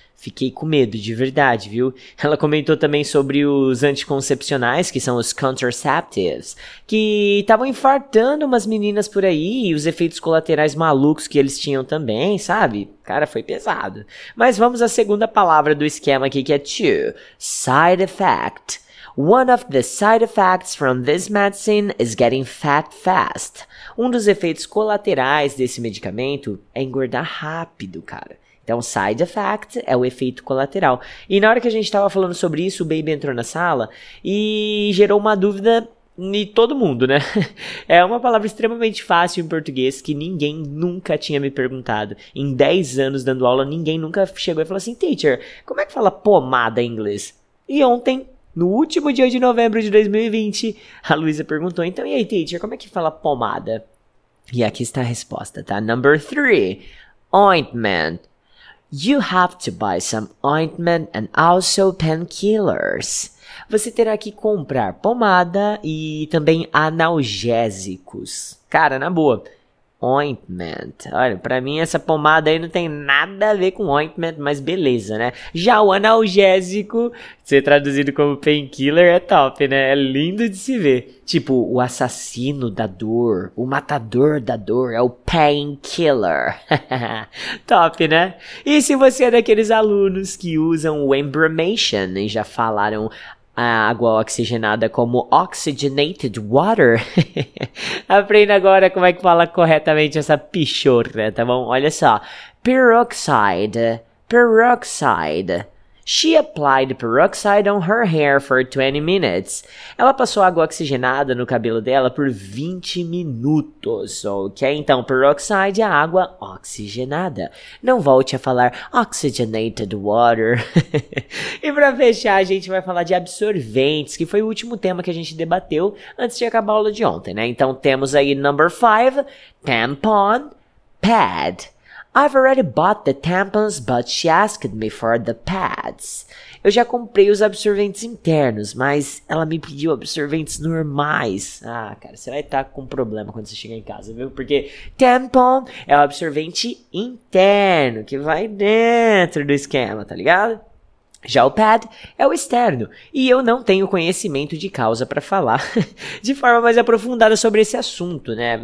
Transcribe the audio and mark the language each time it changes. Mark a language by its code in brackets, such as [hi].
[pt] Fiquei com medo, de verdade, viu? Ela comentou também sobre os anticoncepcionais, que são os contraceptives, que estavam infartando umas meninas por aí, e os efeitos colaterais malucos que eles tinham também, sabe? Cara, foi pesado. Mas vamos à segunda palavra do esquema aqui, que é two. [en] Side effect. One of the side effects from this medicine is getting fat fast. [pt] Um dos efeitos colaterais desse medicamento é engordar rápido, cara. Então, side effect é o efeito colateral. E na hora que a gente estava falando sobre isso, o Baby entrou na sala e gerou uma dúvida em todo mundo, né? É uma palavra extremamente fácil em português que ninguém nunca tinha me perguntado. Em 10 anos dando aula, ninguém nunca chegou e falou assim, teacher, como é que fala pomada em inglês? E ontem, no último dia de novembro de 2020, a Luísa perguntou, então, e aí, teacher, como é que fala pomada? E aqui está a resposta, tá? [en] Number 3, ointment. You have to buy some ointment and also painkillers. [pt] Você terá que comprar pomada e também analgésicos. Cara, na boa. Ointment. Olha, pra mim essa pomada aí não tem nada a ver com ointment, mas beleza, né? Já o analgésico, ser traduzido como painkiller é top, né? É lindo de se ver. Tipo, o assassino da dor, o matador da dor é o painkiller. Top, né? E se você é daqueles alunos que usam o embromation e já falaram a água oxigenada como oxygenated water. Aprenda agora como é que fala corretamente essa pichorra, tá bom? Olha só. Peroxide. Peroxide. [en] She applied peroxide on her hair for 20 minutes. [pt] Ela passou água oxigenada no cabelo dela por 20 minutos, ok? Então, peroxide é água oxigenada. Não volte a falar oxygenated water. E pra fechar, a gente vai falar de absorventes, que foi o último tema que a gente debateu antes de acabar a aula de ontem, né? Então, temos aí number 5, tampon, pad. [en] I've already bought the tampons, but she asked me for the pads. [pt] Eu já comprei os absorventes internos, mas ela me pediu absorventes normais. Ah, cara, você vai estar com problema quando você chegar em casa, viu? Porque tampon é o absorvente interno, que vai dentro do esquema, tá ligado? Já o pad é o externo, e eu não tenho conhecimento de causa para falar de forma mais aprofundada sobre esse assunto, né?